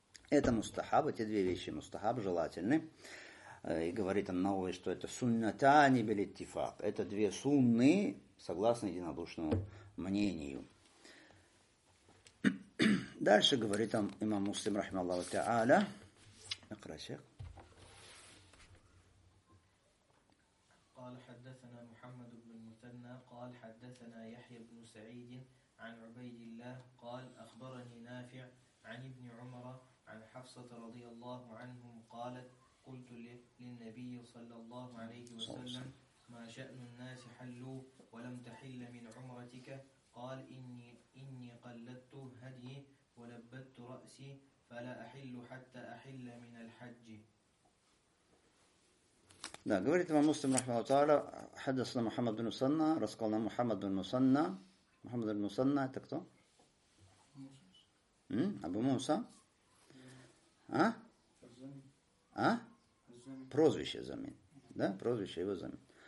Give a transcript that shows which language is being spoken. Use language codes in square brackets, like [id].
[ru] Это мустахаб, эти две вещи, мустахаб, желательны. И говорит он новое, что это [ar] сунната не билеттифак. [ru] Это две сунны, согласно единодушному мнению. Дальше говорит он имам Муслим, рахмаллаху та'аля. [ar] Икра шейх. قال حدثنا محمد بن المثنى قال حدثنا يحيى بن سعيد عن عبيد الله قال أخبرني نافع عن ابن عمر عن حفصة رضي الله عنهم قالت قلت للنبي صلى الله عليه وسلم ما شأن الناس حلوا ولم تحل من عمرتك قال إني قلدت هدي ولبدت رأسي فلا أحل حتى أحل من الحج. [ru] Да, говорит вам Муслим рахмаху тааля, хаддасана Мухаммад бин Мусанна, рассказал нам Мухаммад бин Мусанна. Мухаммад бин Мусанна это кто? Абу Муса? А? Прозвище Замин. Да, прозвище его Замин.